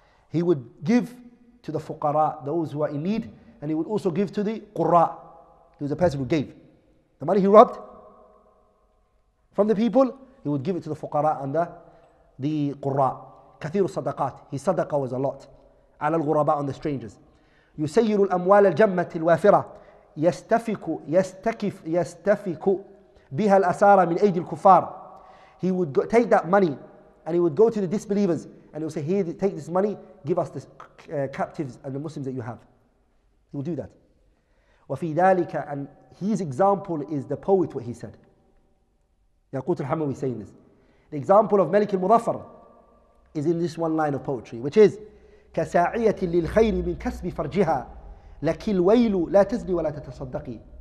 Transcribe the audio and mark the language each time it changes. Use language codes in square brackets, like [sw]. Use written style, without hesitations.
[en] He would give to the fuqara, those who are in need, and he would also give to the qurra. He was a person who gave. The money he robbed from the people, he would give it to the fuqara and the qurra. [ar] كثير الصدقات. [en] His sadaqah was a lot. [ar] على الغرباء, [en] on the strangers. [ar] يسير الأموال الجمة الوافرة يستفك بها الأسارة من أيدي الكفار. [en] He would go, take that money and he would go to the disbelievers and he would say, here, take this money, give us the captives and the Muslims that you have. He would do that. [ar] وفي ذلك, [en] and his example is the poet, what he said. يقوت الحموي saying this. The example of Malik al-Mudaffar is in this one line of poetry, which is [ar] كساعية للخير من كسب فرجها لك الويل لا تزني ولا تتصدقي.